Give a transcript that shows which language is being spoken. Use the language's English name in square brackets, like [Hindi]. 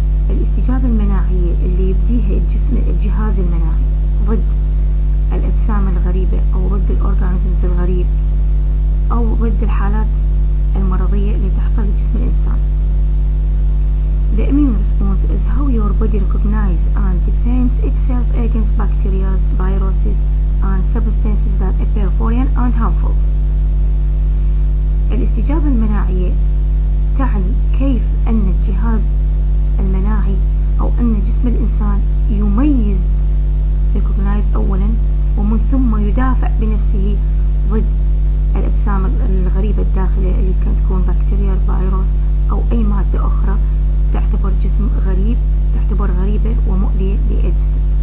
[Arabic] الأجسام المناعية اللي يبديها الجسم الجهاز المناعي ضد الأجسام الغريبة أو ضد الأورغانيزمز الغريب أو ضد الحالات المرضية اللي تحصل لجسم الإنسان. [English] The immune response is how your body recognizes and defends itself against bacteria, viruses, and substances that appear foreign and harmful. [Arabic] الاستجابة المناعية تعني كيف أن الجهاز المناعي أو أن جسم الإنسان يميز recognize أولا ومن ثم يدافع بنفسه ضد الأجسام الغريبة الداخلية اللي كانت تكون بكتيريا الفيروس أو أي مادة أخرى تعتبر جسم غريب تعتبر غريبة ومؤذية للجسم.